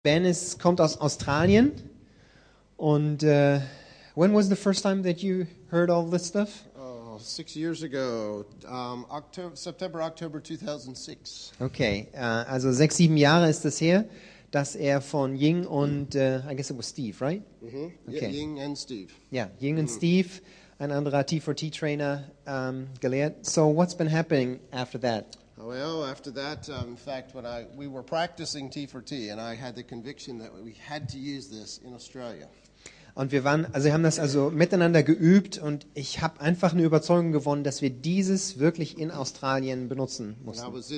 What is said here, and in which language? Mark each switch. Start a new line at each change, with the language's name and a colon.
German: Ben ist, kommt aus Australien.
English: Und when was the first time that you heard all this stuff? Oh, 6 years ago, September, October 2006.
German: Okay, also 6, 7 Jahre ist das her, dass er von Ying und,
English: I guess it was Steve, right? Mm-hmm. Okay. Yeah, Ying and Steve.
German: Yeah, Ying and Steve, ein anderer T4T-Trainer, gelehrt.
English: So what's been happening after that? Well, after that, in fact, when we were practicing T4T, and I had the conviction that we had to use this in Australia.
German: Und wir waren, also wir haben das also miteinander geübt und ich habe einfach eine Überzeugung gewonnen, dass wir dieses wirklich in Australien benutzen mussten.